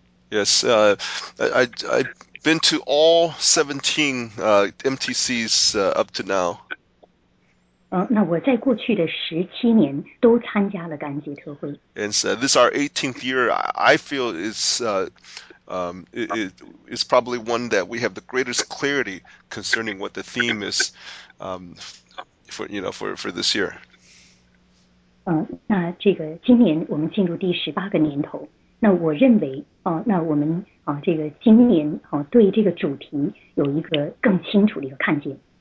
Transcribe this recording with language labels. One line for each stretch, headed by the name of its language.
English: Yes, I've been to all 17 MTCs up to now.
Chinese: 那我在过去的17年都参加了感恩特会。
English: And so this is our 18th year, I feel it's probably one that we have the greatest clarity concerning what the theme is for this year.
Chinese: 那这个今年我们进入第18个年头，那我认为那我们这个今年对这个主题有一个更清楚的一个看见。